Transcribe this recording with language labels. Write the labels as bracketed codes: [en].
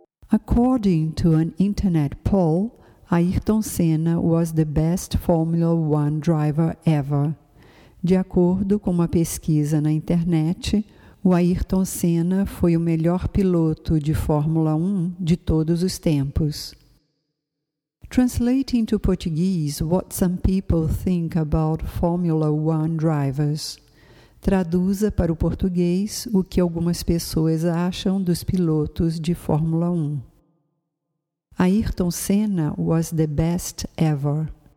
[en] According to an internet poll, Ayrton Senna was the best Formula One driver ever. [pt] De acordo com uma pesquisa na internet, o Ayrton Senna foi o melhor piloto de Fórmula 1 de todos os tempos. [en] Translating to Portuguese what some people think about Formula 1 drivers. [pt] Traduza para o português o que algumas pessoas acham dos pilotos de Fórmula 1. [en] Ayrton Senna was the best ever.